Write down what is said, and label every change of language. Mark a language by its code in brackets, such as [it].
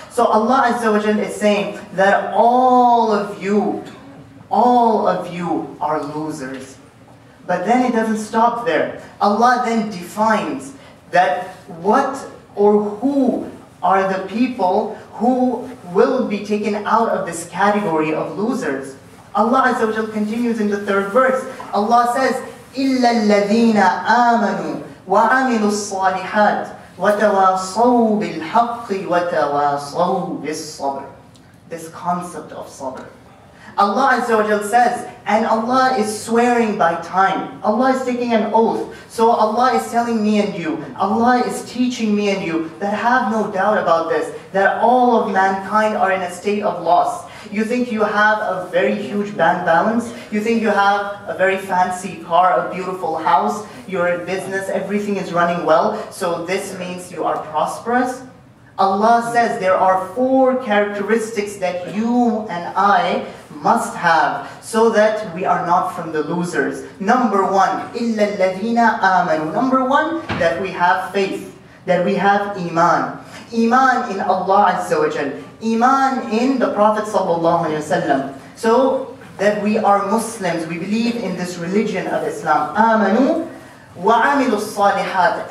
[en] So Allah Azza wa Jal is saying that all of you are losers. But then it doesn't stop there. Allah then defines that what or who are the people who will be taken out of this category of losers. Allah Azza wa Jal continues in the third verse. Allah says, [ar] إِلَّا الَّذِينَ آمَنُوا وَعَمِلُوا الصَّالِحَاتِ وَتَوَاصَوْا بِالْحَقِّ وَتَوَاصَوْا بِالصَّبْرِ. [en] This concept of sabr. Allah Azza wa Jalla says, and Allah is swearing by time. Allah is taking an oath. So Allah is telling me and you, Allah is teaching me and you, that have no doubt about this, that all of mankind are in a state of loss. You think you have a very huge bank balance? You think you have a very fancy car, a beautiful house, you're in business, everything is running well, so this means you are prosperous? Allah says there are four characteristics that you and I must have so that we are not from the losers. Number one, [ar] إِلَّا الَّذِينَ آمَنُوا. [en] Number one, that we have faith, that we have iman. Iman in Allah Azza wa Jal. Iman in the Prophet Sallallahu Alaihi Wasallam. So that we are Muslims, we believe in this religion of Islam. [ar] آمَنُوا وَعَمِلُوا الصَّالِحَاتِ.